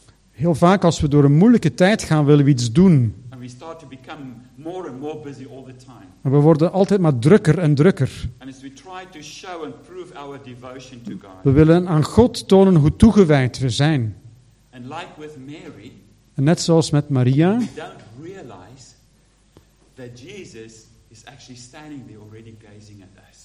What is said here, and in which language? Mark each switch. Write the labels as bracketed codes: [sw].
[nl] Heel vaak als we door een moeilijke tijd gaan, willen we iets doen. [en] And we start to become more and more busy all the time. [nl] We worden altijd maar drukker en drukker. [en] And as we try to show and prove our devotion to God. [nl] We willen aan God tonen hoe toegewijd we zijn. [en] And like with Mary. [nl] En net zoals met Maria. [en] We don't realize that Jesus is actually standing there already gazing at us.